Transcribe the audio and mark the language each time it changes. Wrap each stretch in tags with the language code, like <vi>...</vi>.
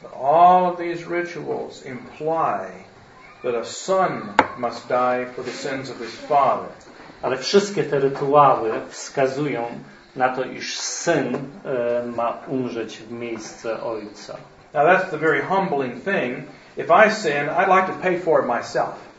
<en>All of these rituals imply that a son must die for the sins of his father.</en> <pl>Ale wszystkie te rytuały wskazują na to, iż syn ma umrzeć w miejsce ojca.</pl> <en>Now that's the very humbling thing. If I sin, I'd like to pay for it myself.</en>